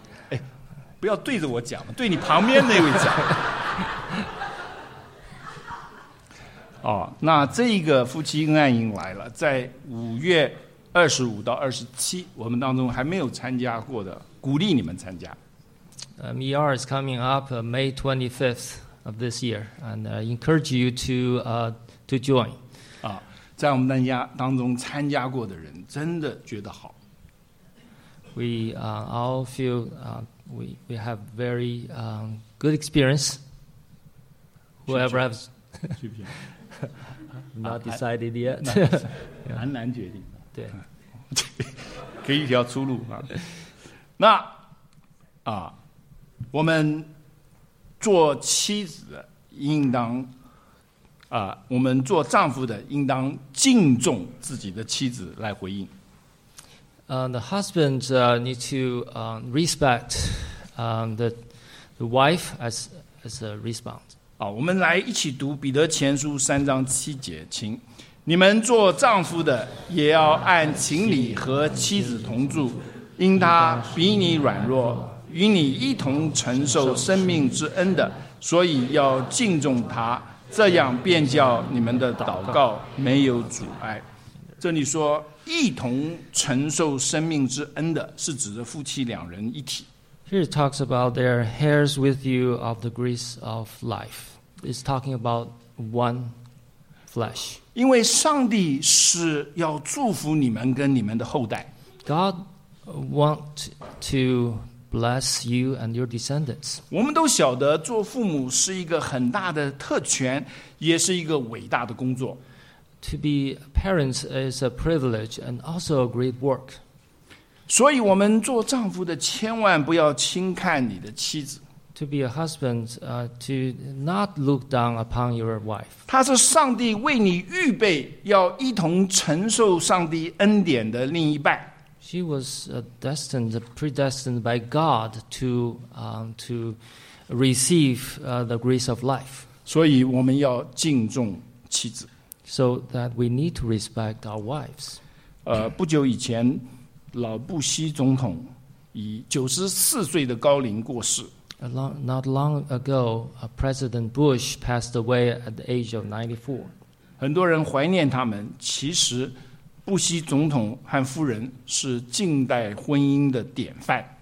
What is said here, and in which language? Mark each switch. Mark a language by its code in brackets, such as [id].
[zh] 哎，不要对着我讲，对你旁边那位讲。哦，那这个夫妻恩爱营来了，在5月25到27，我们当中还没有参加过的，鼓励你们参加。 [en] ER is coming up May 25th. Of this year, and encourage you to join. [zh] 啊，在我们大家当中参加过的人，真的觉得好。 [en] We all feel we have very good experience. Whoever has not decided yet, [zh] 很难决定。对，给一条出路啊。那啊，我们。做妻子的应当我们做丈夫的应当敬重自己的妻子来回应。 [en] The husband need to respect the wife as a response. [zh] 好，我们来一起读彼得前书3:7，请你们做丈夫的也要按情理和妻子同住，因他比你软弱，与你一同承受生命之恩的，所以要敬重他，这样便叫你们的祷告没有阻碍。这里说一同承受生命之恩的，是指着夫妻两人一体。 [en] Here it talks about their heirs with you of the grace of life. It's talking about one flesh. [zh] 因为上帝是要祝福你们跟你们的后代。 [en] God want to bless you and your descendants. [zh] 我们都晓得做父母是一个很大的特权，也是一个伟大的工作。 [en] To be parents is a privilege and also a great work. [zh] 所以我们做丈夫的千万不要轻看你的妻子。 [en] To be a husband, to not look down upon your wife. [zh] 她是上帝为你预备要一同承受上帝恩典的另一半。 [en] She was predestined by God to receive the grace of life. [zh] 所以我们要敬重妻子。 [en] So that we need to respect our wives. [zh] 不久以前，老布希总统以94岁的高龄过世。 [en] Not long ago, President Bush passed away at the age of 94. [zh] 很多人怀念他们，其实布希总统和夫人是近代婚姻的典范。